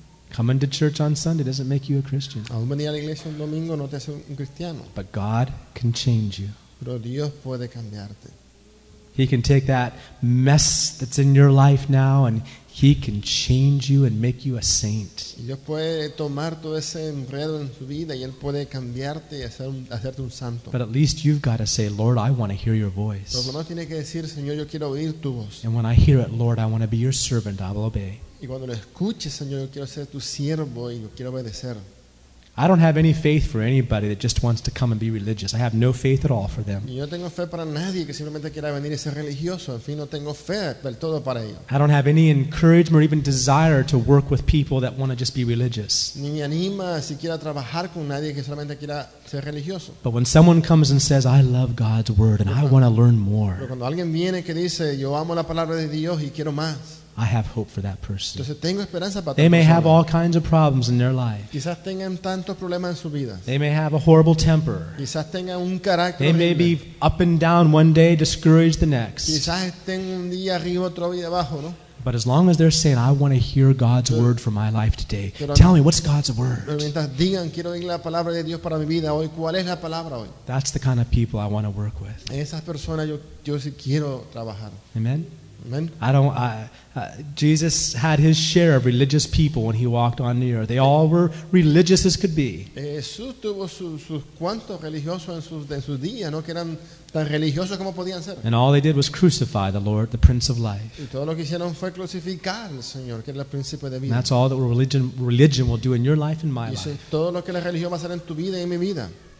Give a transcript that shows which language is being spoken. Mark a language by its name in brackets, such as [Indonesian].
[English] Coming to church on Sunday doesn't make you a Christian. [Spanish] Aún venir a la iglesia un domingo no te hace un cristiano. [English] But God can change you. [Spanish] Pero Dios puede cambiarte. [English] He can take that mess that's in your life now and he can change you and make you a saint. [Spanish] Dios puede tomar todo ese enredo en tu vida y él puede cambiarte y hacerte un santo. [English] But at least you've got to say, Lord, I want to hear your voice. [Spanish] Pero no tiene que decir, Señor, yo quiero oír tu voz. [English] And when I hear it, Lord, I want to be your servant, I will obey. [Spanish] Y cuando lo escuches, Señor, yo quiero ser tu siervo y lo quiero obedecer. [English] I don't have any faith for anybody that just wants to come and be religious. I have no faith at all for them. [Spanish] Yo no tengo fe para nadie que simplemente quiera venir y ser religioso. En fin, no tengo fe del todo para ello. [English] I don't have any encouragement or even desire to work with people that want to just be religious. [Spanish] Ni me anima siquiera a trabajar con nadie que solamente quiera ser religioso. [English] But when someone comes and says, I love God's word and I want to learn more. [Spanish] Pero cuando alguien viene que dice, yo amo la palabra de Dios y quiero más. [English] I have hope for that person. [Spanish] Entonces, tengo esperanza para [English] they may persona. Have all kinds of problems in their life. [Spanish] Quizás tengan tantos problemas en su vida. [English] They may have a horrible temper. [Spanish] Quizás tengan un carácter [English] they may [Spanish] horrible. [English] Be up and down one day, discouraged the next. [Spanish] Quizás estén un día arriba, otro día abajo, ¿no? [English] But as long as they're saying, I want to hear God's pero, word for my life today, tell me, what's God's word? That's the kind of people I want to work with. [Spanish] Esas personas yo sí quiero trabajar. [English] Amen? [Spanish] Amen. [English] Jesus had his share of religious people when he walked on the earth. They all were religious as could be. [Spanish] Jesús tuvo sus cuantos religiosos en sus días, ¿no? Que eran tan religiosos como podían ser. [English] And all they did was crucify the Lord, the Prince of Life. [Spanish] Y todo lo que hicieron fue crucificar al Señor, que era el príncipe de vida. [English] And that's all that religion will do in your life and my life. [Spanish] Y eso es todo lo que la religión va a hacer en tu vida y en mi vida.